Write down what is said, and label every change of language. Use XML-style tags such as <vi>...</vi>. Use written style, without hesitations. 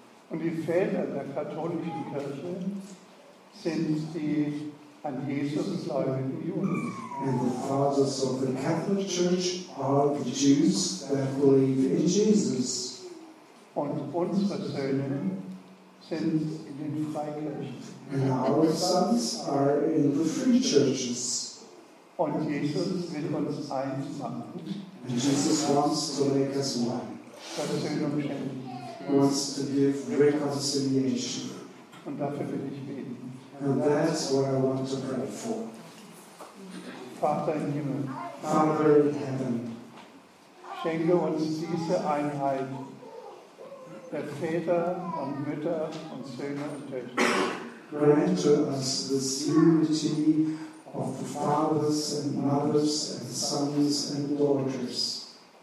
<de>Und die Väter der katholischen Kirche sind die an Jesus gläubigen Juden.</de> <en>And the fathers of the Catholic Church are the Jews that believe in Jesus.</en> <de>Und unsere Söhne sind in den Freikirchen.</de> <en>And our sons are in the free churches.</en> <de>Und Jesus will uns eins machen.</de> <en>And Jesus wants to make us one.</en> <de>Versöhnung schenken.</de> <en>He wants to give reconciliation.</en> <de>Und dafür will ich beten.</de> <en>And that's what I want to pray for.</en> <de>Vater im Himmel.</de> <en>Father in heaven.</en> <de>Schenke uns diese Einheit der Väter und Mütter und Söhne und Töchter.</de> <en>Grant to us this unity of the fathers and mothers and sons and daughters.</en>